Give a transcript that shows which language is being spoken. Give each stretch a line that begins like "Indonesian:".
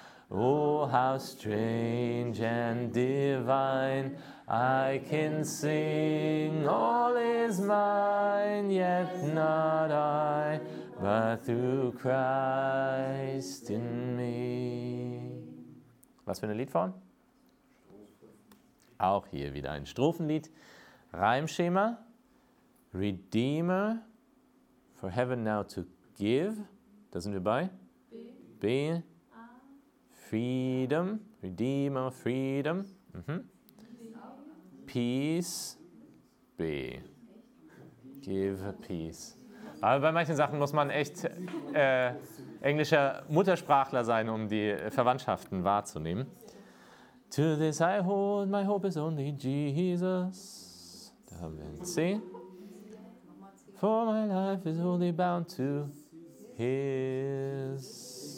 English: Oh, how strange and divine, I can sing, all is mine, yet not I, but through Christ in me.
German: Was für eine Liedform? Auch hier wieder ein Strophenlied. Reimschema.
English: Redeemer, for heaven now to give.
German: Da sind wir bei. B.
English: B. Freedom. Redeemer, freedom. Mhm. Peace, B. Give peace.
German: Aber bei manchen Sachen muss man echt englischer Muttersprachler sein, um die Verwandtschaften wahrzunehmen.
English: To this I hold, my hope is only Jesus.
German: Da haben wir ein C.
English: For my life is only bound to His.